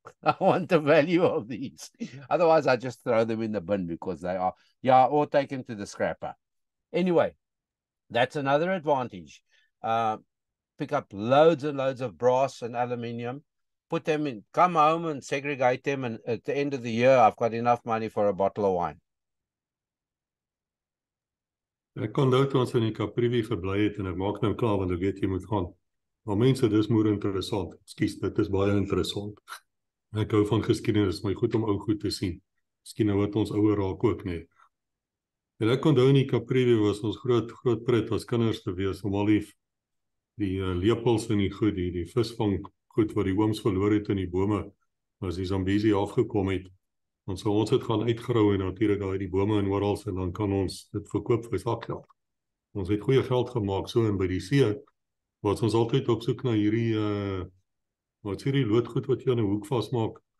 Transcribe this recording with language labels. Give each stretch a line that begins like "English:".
English: I want the value of these. Otherwise, I just throw them in the bin because they are, yeah, or take them to the scrapper. Anyway, that's another advantage. Pick up loads and loads of brass and aluminium. Put them in, come home and segregate them. And at the end of the year, I've got enough money for a bottle of wine.
Afrikaans: Ek kon nou toe ons in die Caprivi verbly het en ek maak nou klaar want ek weet jy moet gaan. Maar mense, dis moer interessant. Ekskuus, dit is baie interessant. Ek hou van geskiedenis, maar goed om ou goed te sien. Miskien nou wat ons ouer raak ook, nee. En ek kon nou in die Caprivi was ons groot pret as kinders te wees om al die lepels en die goed, die visvang goed wat die ooms verloor het in die bome as die Zambezi afgekom het. Want so ons het gaan uitgrou en natuurlijk daar die bome en oorals en dan kan ons dit verkoop vir sakgeld. Ons het goeie geld gemaakt so en by die see was ons altyd op soek na hierdie wat is hierdie loodgoed wat jy aan die hoek vastmaak?